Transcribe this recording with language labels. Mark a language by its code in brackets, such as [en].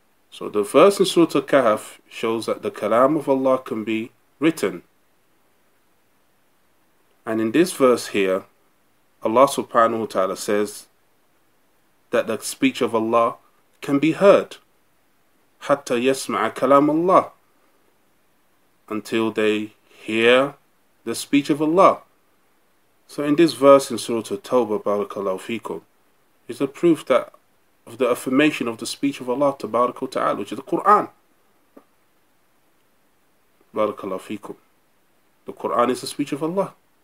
[en] So the verse in Surah Al-Kahf shows that the kalam of Allah can be written. And in this verse here, Allah subhanahu wa ta'ala says that the speech of Allah can be heard. [ar] حَتَّى يَسْمَعَ كَلَامَ اللَّهِ, [en] until they hear the speech of Allah. So in this verse in Surah At-Tawbah, Barakallahu Fikum, is a proof that of the affirmation of the speech of Allah, Tabarakahu Ta'ala, which is the Qur'an. Barakallahu Fikum. The Qur'an is the speech of Allah.